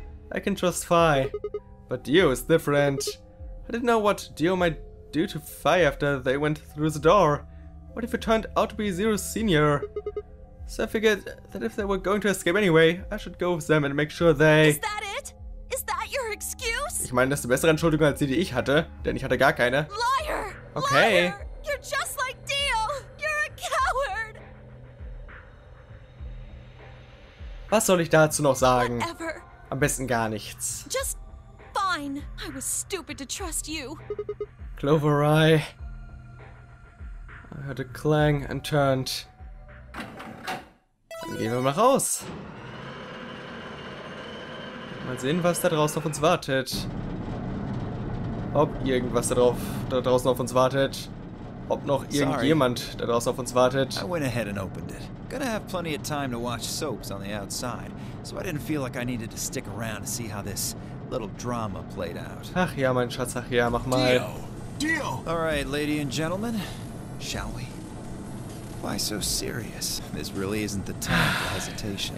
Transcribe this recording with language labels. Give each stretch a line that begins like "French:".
English: I can trust Fi, but Dio is different. I didn't know what Dio might do to Fi after they went through the door. What if it turned out to be Zero Senior? So I figured that if they were going to escape anyway, I should go with them and make sure they... Is that it? Is that your excuse?
German: Ich meine, das ist eine bessere Entschuldigung als die, die ich hatte, denn ich hatte gar keine.
English: Liar! Okay. Liar! You're just like Dio! You're a coward!
German: Was soll ich dazu noch sagen?
English: Whatever.
German: Am besten gar nichts.
English: Just fine. I was stupid to trust you. Clover Eye. I heard a clang and turned.
German: Dann gehen wir mal raus. Mal sehen, was da draußen auf uns wartet. Ob irgendwas da draußen auf uns wartet. Ob noch irgendjemand da draußen auf uns wartet.
English: I went ahead and opened it. Gonna have plenty of time to watch soaps on the outside. So I didn't feel like I needed to stick around to see how this little drama played out.
German: Ach ja, mein Schatz, ach ja, mach mal.
English: Dio! All right, lady and gentlemen, shall we? Why so serious? This really isn't the time for hesitation.